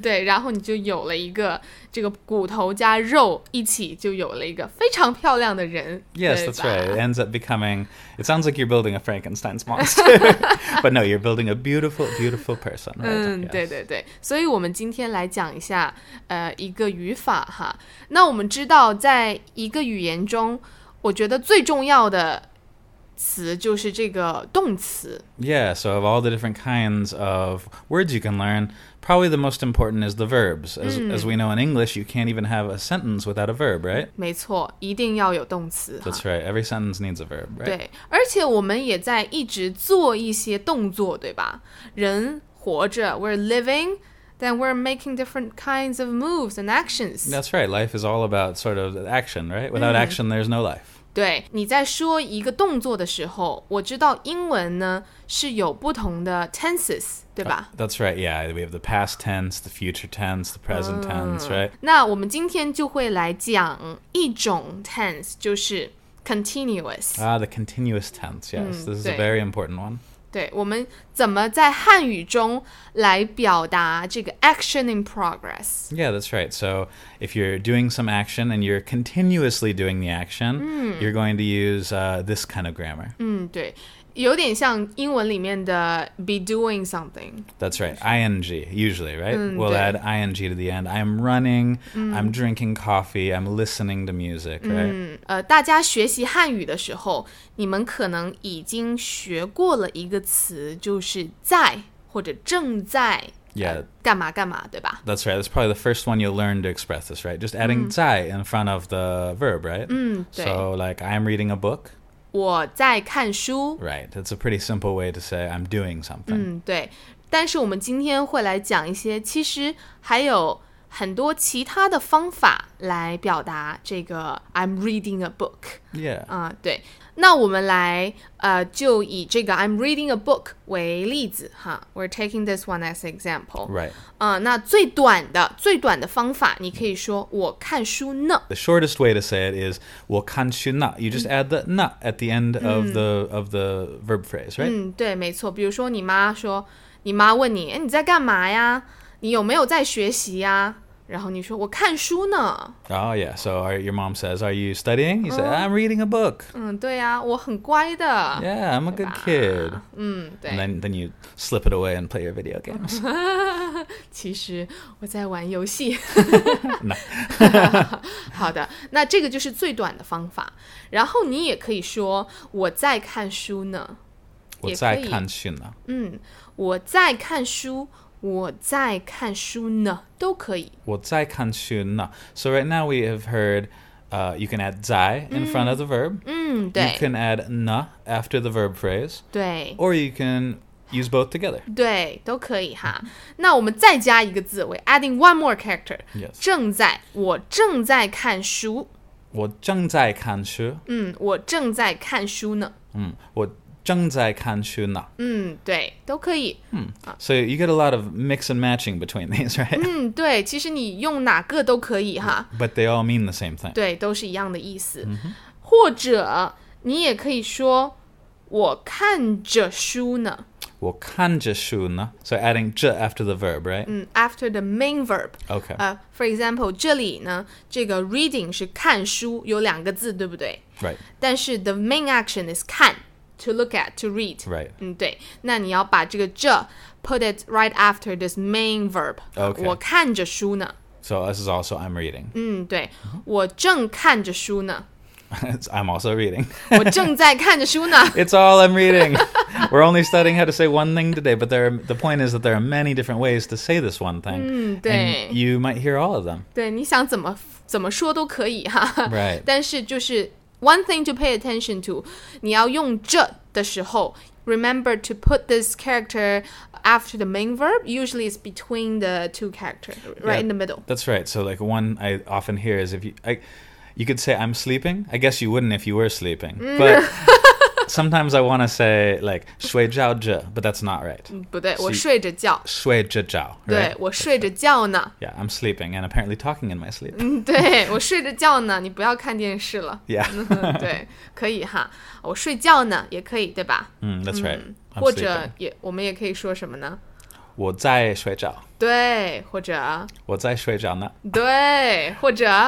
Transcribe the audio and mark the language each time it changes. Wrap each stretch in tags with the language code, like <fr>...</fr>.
<zh>对，然后你就有了一个这个骨头加肉一起就有了一个非常漂亮的人。</zh> <en>Yes, that's right. It ends up becoming, it sounds like you're building a Frankenstein's monster. But no, you're building a beautiful, beautiful person. Right?</en> <zh>对对对。所以我们今天来讲一下一个语法哈。那我们知道在一个语言中，我觉得最重要的词就是这个动词。</zh> <en>Yeah, so of all the different kinds of words you can learn, probably the most important is the verbs. As we know in English, you can't even have a sentence without a verb, right?</en> <zh>没错，一定要有动词。</zh> <en>That's right, every sentence needs a verb, right?</en> <zh>对，而且我们也在一直做一些动作，对吧？人活着，</zh> <en>we're living... Then we're making different kinds of moves and actions. That's right. Life is all about sort of action, right? Without action, there's no life.</en> <zh>对，你在说一个动作的时候，我知道英文呢是有不同的 tenses, 对吧？</zh> <en>That's right. Yeah, we have the past tense, the future tense, the present tense, right?</en> <zh>那我们今天就会来讲一种 tense, 就是 continuous.</zh> <en>The continuous tense, yes. This is a very important one.</en> <zh>对，我们怎么在汉语中来表达这个</zh> <en>action in progress? Yeah, that's right. So if you're doing some action and you're continuously doing the action, you're going to use this kind of grammar.</en> <zh>对，有点像英文里面的</zh> <en>be doing something. That's right, ing, usually, right? We'll add ing to the end. I'm running, I'm drinking coffee, I'm listening to music, right?</en> <zh>大家学习汉语的时候，你们可能已经学过了一个词，就是在或者正在。干嘛干嘛，对吧？</zh> <en>That's right. That's probably the first one you'll learn to express this, right? Just adding 在 in front of the verb, right?</en> <zh>对。</zh> <en>So like, I'm reading a book.</en> <zh>我在看书。</zh> <en>Right, that's a pretty simple way to say I'm doing something.</en> <zh>对，但是我们今天会来讲一些，其实还有很多其他的方法来表达这个</zh> <en>I'm reading a book. Yeah.</en> <zh>对，那我们来就以这个</zh> <en>I'm reading a book</en> <zh>为例子哈。</zh> <en>We're taking this one as an example. Right.</en> <zh>那最短的方法，你可以说我看书呢。</zh> <en>The shortest way to say it is</en> <zh>我看书呢。</zh> <en>You just add the 呢 at the end of the verb phrase, right?</en> <zh>对，没错。比如说你妈说，你妈问你，你在干嘛呀？你有没有在学习呀？然后你说我看书呢。</zh> <en>Oh yeah, so your mom says, are you studying? You say, I'm reading a book.</en> <zh>对呀，我很乖的。</zh> <en>Yeah, I'm a good kid.</en> <zh>对。</zh> <en>And then you slip it away and play your video games.</en> <zh>其实我在玩游戏。</zh> <en>No.</en> <zh>好的，那这个就是最短的方法。然后你也可以说我在看书呢。我在看书呢。我在看书。我在看书呢，都可以。我在看书呢。</zh> <en>So right now we have heard, you can add 在 in front of the verb.</en> <zh>对。</zh> <en>You can add 呢 after the verb phrase.</en> <zh>对。</zh> <en>Or you can use both together.</en> <zh>对，都可以哈。那我们再加一个字，</zh> <en>we're adding one more character. Yes.</en> <zh>正在，我正在看书。我正在看书。我正在看书呢。我。正在看书呢。对，都可以。</zh> <en>So you get a lot of mix and matching between these, right?</en> <zh>对，其实你用哪个都可以哈。</zh> <en>But they all mean the same thing.</en> <zh>对，都是一样的意思。或者你也可以说我看着书呢。我看着书呢。</zh> <en>So adding 着 after the verb, right? After the main verb. Okay.</en> <zh>For example, 这里呢，这个 reading 是看书，有两个字，对不对？</zh> <en>Right. 但是 the main action is 看。To look at, to read. Right.</en> <zh>对，那你要把这个这</zh> <en>put it right after this main verb. Okay.</en> <zh>我看着书呢。</zh> <en>So this is also I'm reading.</en> <zh>对，我正看着书呢。</zh> <en>I'm also reading.</en> <zh>我正在看着书呢。</zh> <en>It's all I'm reading. We're only studying how to say one thing today, but there are, the point is that there are many different ways to say this one thing.</en> <zh>嗯，对。</zh> <en>And you might hear all of them.</en> <zh>对，你想怎么说都可以哈。</zh> <en>Right.</en> <zh>但是就是</zh> <en>one thing to pay attention to,</en> <zh>你要用这的时候</zh> <en>remember to put this character after the main verb. Usually it's between the two characters, right, in the middle. That's right. So like one I often hear is You could say, I'm sleeping. I guess you wouldn't if you were sleeping. But sometimes I want to say, like,</en> <zh>睡着着,</zh> <en>but that's not right.</en> <zh>不对,我睡着觉。睡着觉,right? 对,我睡着觉呢。</zh> <en>Yeah, I'm sleeping and apparently talking in my sleep.</en> <zh>对,我睡着觉呢,你不要看电视了。</zh> <en>Yeah.</en> <zh>对,可以哈。我睡觉呢,也可以,对吧?</zh> <en>That's right.</en> <zh>或者也,我们也可以说什么呢? 我在睡着。对，或者我在睡着呢。对，或者</zh>